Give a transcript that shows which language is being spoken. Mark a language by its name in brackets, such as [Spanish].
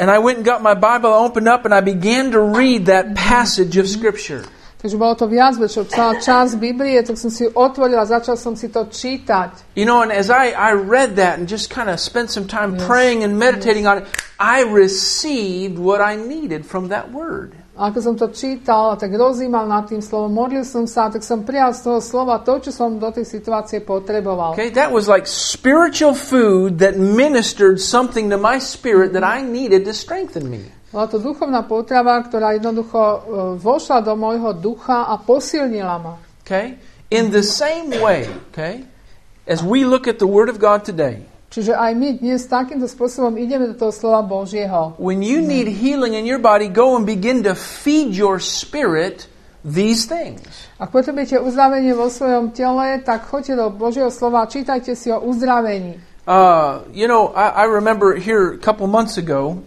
[English] And I went and got my Bible, opened up and I began to read that passage of scripture. [Slovak] Takže bolo to viac, čo celá časť Biblie, tak som si otvoril a začal som si to čítať. [English] You know, and as I read that and just kind of spent some time praying and meditating on it, I received what I needed from that word. [Slovak] ako som to čítal a tak rozjímal nad tým slovom, modlil som sa, tak som prijal z toho slova to, čo som do tej situácie potreboval. [English] Okay, that was like spiritual food that ministered something to my spirit that I needed to strengthen me. [Slovak] Bola to duchovná potrava, ktorá jednoducho vošla do môjho ducha a posilnila ma. [English] Okay? In the same way, okay? As we look at the word of God today. [Slovak] Čiže aj my dnes takýmto spôsobom ideme do toho slova Božieho. [English] When you need healing in your body, go and begin to feed your spirit these things. [Slovak] Ak potrebujete uzdravenie vo svojom tele, tak choďte do Božieho slova, čítajte si o uzdravení. [English] You know, I remember here a couple months ago.